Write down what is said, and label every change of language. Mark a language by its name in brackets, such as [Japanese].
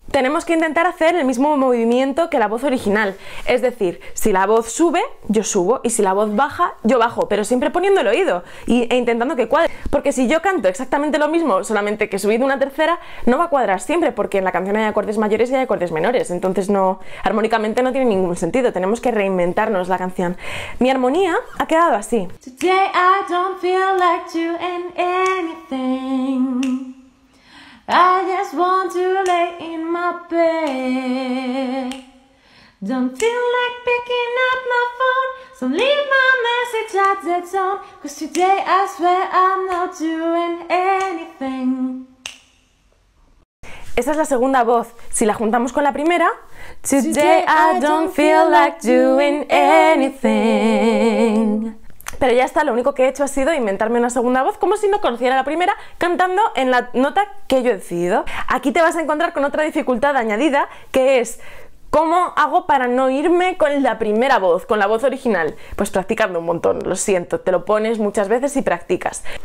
[Spanish] Tenemos que intentar hacer el mismo movimiento que la voz original, es decir, si la voz sube, yo subo, y si la voz baja, yo bajo, pero siempre siempre poniendo el oído e intentando que cuadre. Porque si yo canto exactamente lo mismo, solamente que he subido una tercera, no va a cuadrar siempre, porque en la canción hay acordes mayores y hay acordes menores. Entonces no, armónicamente no tiene ningún sentido. Tenemos que reinventarnos la canción. Mi armonía ha quedado así. [English] Today I don't feel like doing anything. I just want to lay in my bed. Don't feel like picking up my phone. So leave my message at the tone. Cause today I swear I'm not doing anything. [Spanish] Esa es la segunda voz. Si la juntamos con la primera. [English] Today I don't feel like doing anything. [Spanish] Pero ya está, lo único que he hecho ha sido inventarme una segunda voz, como si no conociera la primera, cantando en la nota que yo he decidido. Aquí te vas a encontrar con otra dificultad añadida, que es ¿cómo hago para no irme con la primera voz, con la voz original? Pues practicando un montón, lo siento, te lo pones muchas veces y practicas.